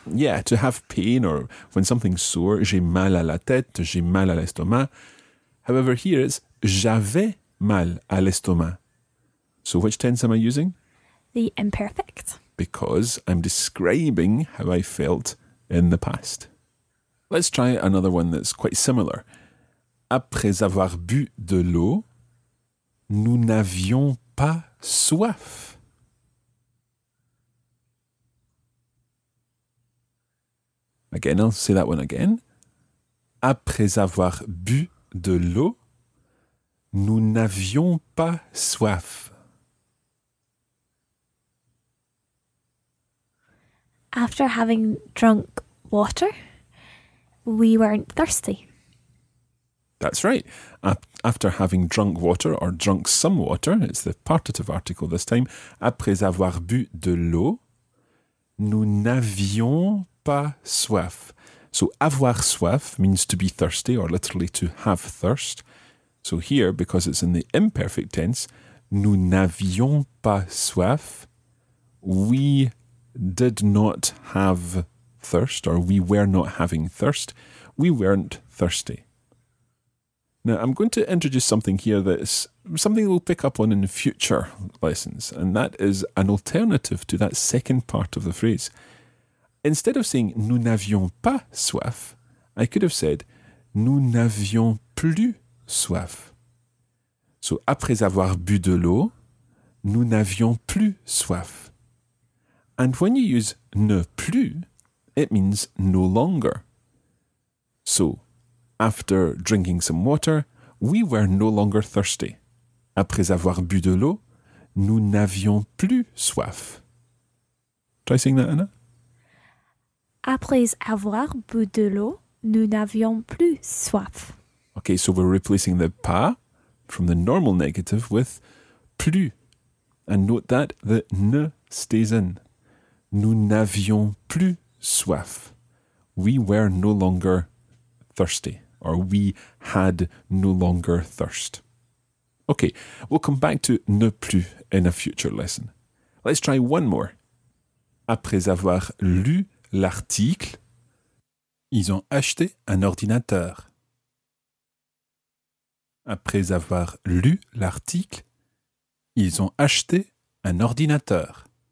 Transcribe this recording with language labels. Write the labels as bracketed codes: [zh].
[en] Yeah, to have pain or when something's sore, [fr] j'ai mal à la tête, j'ai mal à l'estomac. [en] However, here it's [fr] j'avais mal à l'estomac. [en] So which tense am I using? The imperfect. Because I'm describing how I felt in the past. Let's try another one that's quite similar. [fr] Après avoir bu de l'eau, nous n'avions pas soif. [en] Again, I'll say that one again. [fr] Après avoir bu de l'eau, nous n'avions pas soif. [en] After having drunk water, we weren't thirsty. That's right. After having drunk water or drunk some water, it's the partitive article this time. [fr] Après avoir bu de l'eau, nous n'avions pas soif. [en] So [fr] avoir soif [en] means to be thirsty or literally to have thirst. So here, because it's in the imperfect tense, [fr] nous n'avions pas soif, [en] we did not have thirst or we were not having thirst. We weren't thirsty. Now I'm going to introduce something here that's something we'll pick up on in future lessons, and that is an alternative to that second part of the phrase. Instead of saying [fr] nous n'avions pas soif, [en] I could have said [fr] nous n'avions plus soif. So après avoir bu de l'eau, nous n'avions plus soif. [en] And when you use ne plus, it means no longer. So after drinking some water, we were no longer thirsty. [fr] Après avoir bu de l'eau, nous n'avions plus soif. [en] Try saying that, Anna. [fr] Après avoir bu de l'eau, nous n'avions plus soif. [en] Okay, so we're replacing the pas from the normal negative with plus. And note that the ne stays in. [fr] Nous n'avions plus soif. [en] We were no longer thirsty. Or we had no longer thirst. Okay, we'll come back to ne plus in a future lesson. Let's try one more. [fr] Après avoir lu l'article, ils ont acheté un ordinateur. Après avoir lu l'article, ils ont acheté un ordinateur.